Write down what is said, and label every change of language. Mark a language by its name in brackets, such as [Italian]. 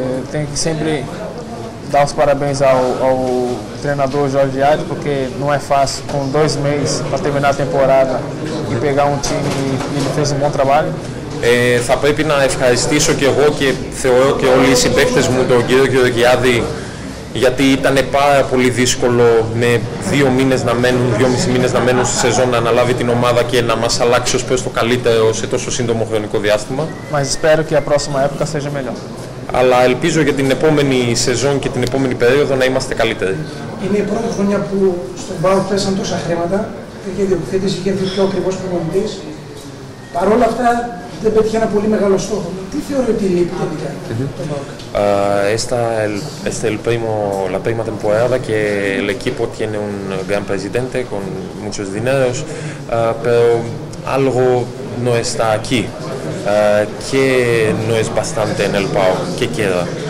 [Spanish] Tengo que siempre dar los parabéns al treinador Jorge Adi, porque no es fácil con dos meses para terminar la temporada y pegar un time y él hizo un buen trabajo. [Greek] Θα πρέπει να ευχαριστήσω και εγώ και θεωρώ και όλοι οι συμπαίκτες μου τον κύριο Γιώργη Άδη, γιατί ήταν πάρα πολύ δύσκολο με δύο μισή μήνες να μένουν στη σεζόν να αναλάβει την ομάδα και να μας αλλάξει ως προς το καλύτερο σε τόσο σύντομο χρονικό διάστημα. [Portuguese] Mas espero que a próxima época seja melhor. [Greek] Αλλά ελπίζω για την επόμενη σεζόν και την επόμενη περίοδο να είμαστε καλύτεροι. Είναι η πρώτη χρονιά που στον ΠΑΟΚ πέσαν τόσα χρήματα. Είχε διοκτήτης, είχε έρθει πιο ακριβώς προπονητής. Παρ' όλα αυτά δεν πέτυχε ένα πολύ μεγάλο στόχο. Τι θεωρεί ότι λείπει τελικά τον ΠΑΟΚ? [Spanish] Esta es la primera temporada que el equipo tiene un gran presidente con muchos dineros, pero algo no está aquí. Que no es bastante en el PAO, ¿qué queda?